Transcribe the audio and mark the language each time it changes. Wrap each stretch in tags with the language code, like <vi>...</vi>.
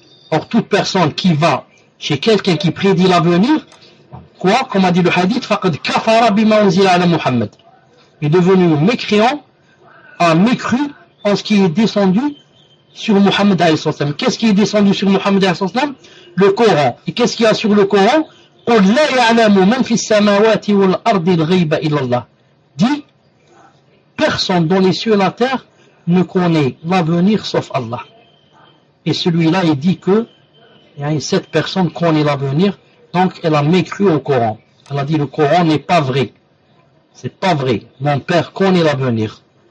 <fr>Or toute personne qui va chez quelqu'un qui prédit l'avenir, quoi, comme a dit le hadith,</fr> <ar>faqad kafara bima unzila ala Muhammad,</ar> <fr>est devenu mécréant, a mécru en ce qui est descendu sur Muhammad alayhi sallam. Qu'est-ce qui est descendu sur Muhammad alayhi sallam? Le Coran. Et qu'est-ce qu'il y a sur le Coran?</fr> <ar>قل لا يعلم من في السماوات والأرض الغيب إلا الله.</ar> <fr>Dit, personne dans les cieux et la terre ne connaît l'avenir sauf Allah. Et celui-là, il dit que cette personne connaît l'avenir, donc elle a mécru au Coran. Elle a dit, le Coran n'est pas vrai. C'est pas vrai. Mon père connaît l'avenir.</fr>